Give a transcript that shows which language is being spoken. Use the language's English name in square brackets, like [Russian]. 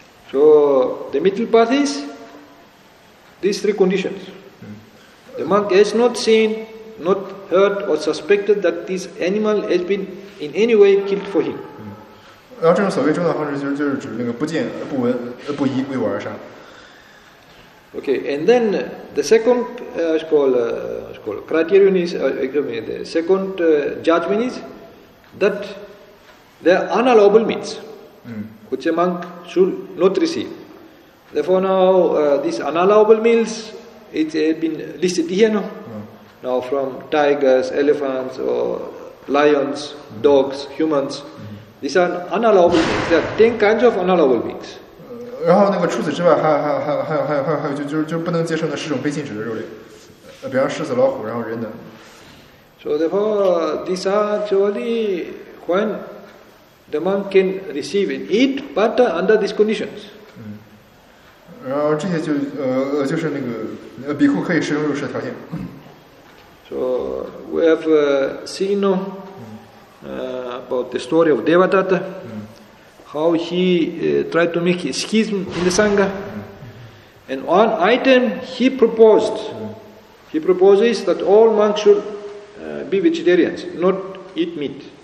[English] So the middle path is these three conditions. The monk has not seen, not heard, or suspected that this animal has been in any way killed for him. [Chinese] 然后这种所谓中道方式就是指那个不见、不闻、不依为我而杀。 [English] Okay, and then the second judgment is that there are unallowable meats which a monk should not receive. Therefore, now these unallowable meals. It's been listed here now. Now from tigers, elephants, or lions, dogs, humans. These are unallowable meats. There are 10 kinds of unallowable meats. [Chinese] 然后那个除此之外，还有就不能接受的十种被禁止的肉类，比方狮子、老虎，然后人等。 [English] So therefore, these are actually when the monk can receive and eat, but under these conditions. [Chinese] 然后这些就是那个比库可以食用肉食的条件。 [English] So we have seen about the story of Devadatta, how he tried to make a schism in the Sangha, and one item he proposes that all monks should be vegetarians, not eat meat.